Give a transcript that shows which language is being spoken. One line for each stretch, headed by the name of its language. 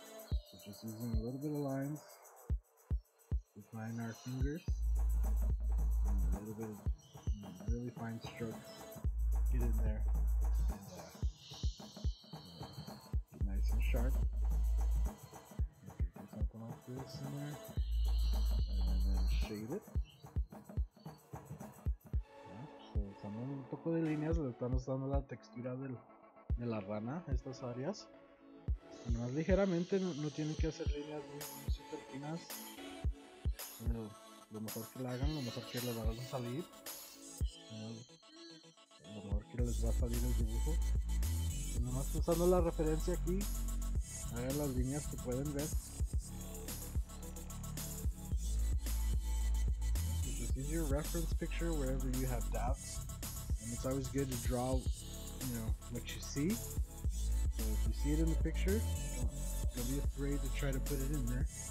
English: So just using a little bit of lines to find our fingers and a little bit of really fine strokes. Get in there and get nice and sharp. Maybe do something like this in there and then shade it. Yeah.
Spanish: So, usando un poco de líneas, le estamos dando la textura de la rana, estas áreas más ligeramente, no tienen que hacer líneas muy super finas. Lo mejor que la hagan, lo mejor que les va a salir, lo mejor que les va a salir el dibujo. Y nomás usando la referencia aquí, hagan las líneas que pueden ver.
English: So just use your reference picture wherever you have doubts, and it's always good to draw what you see. So if you see it in the picture, don't be afraid to try to put it in there.